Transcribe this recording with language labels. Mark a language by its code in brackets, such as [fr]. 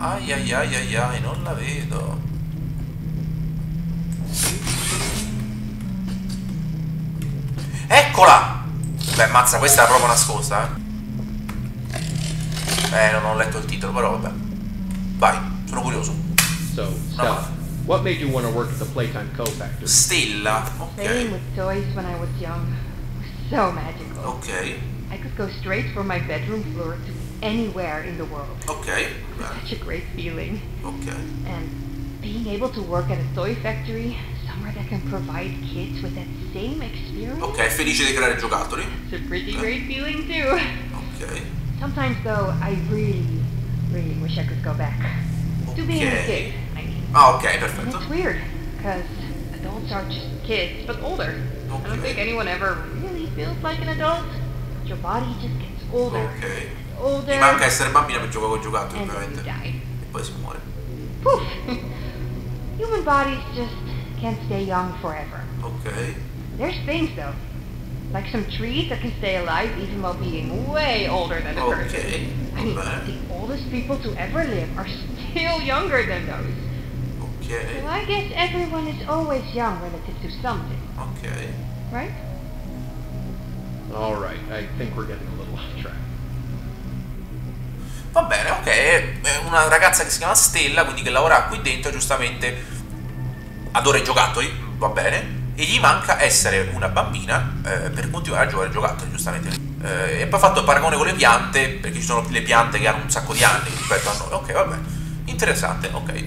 [it] Ai ai ai ai ai, non la vedo. Eccola! Beh, mazza, questa è proprio nascosta, eh. Non ho letto il titolo, però vabbè. Vai, sono curioso. [en] So, Stella, what made you want to work at the Playtime Co. Factory? [it] Stella, ok. [en] Playing with toys when I was young was so magical. [it] Ok. [en] I could go straight from my bedroom floor to anywhere in the world. [it] Okay. [en] Such a great feeling. [it] Okay. [en] And being able to work at a toy factory, somewhere that can provide kids with that same experience. [it] Okay, felice di creare giocattoli. [en] It's a pretty great feeling too. [it] Okay. [en] Sometimes though, I really, really wish I could go back. [it] Okay. [en] To being a kid, I mean. [it] Ah, okay, perfetto. [en] And it's weird, because adults aren't just kids, but older. [it] Okay. [en] I don't think anyone ever really feels like an adult. But your body just gets older. [it] Okay. [en] Older. [it] Mi manca essere bambina per giocare con giocattoli, ovviamente. E poi si muore. [en] Poof. Human bodies just can't stay young forever. [it] Okay. [en] There's things though. Like some trees that can stay alive even while being way older than a person. [it] Okay. [en] The oldest people to ever live are still younger than those. [it] Okay. [en] So I guess everyone is always young relative to something. [it] Okay. [en] Right? All right. I think we're getting a little off track. [it] Va bene, ok, è una ragazza che si chiama Stella, quindi che lavora qui dentro, giustamente adora i giocattoli, va bene, e gli manca essere una bambina per continuare a giocare ai giocattoli, giustamente. E poi ha fatto il paragone con le piante, perché ci sono le piante che hanno un sacco di anni rispetto a noi, ok, va bene, interessante, ok.